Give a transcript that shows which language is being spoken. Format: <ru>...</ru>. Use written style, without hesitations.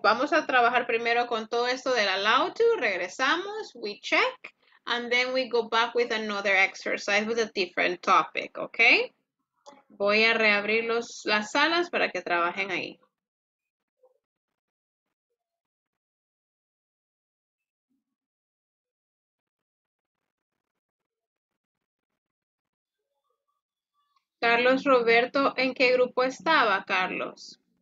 <es>Vamos a trabajar primero con todo esto del allow to. Regresamos,</es> <en>we check, and then we go back with another exercise with a different topic, okay?</en> <es>Voy a reabrir las salas para que trabajen ahí. Carlos Roberto, ¿en qué grupo estaba, Carlos?</es>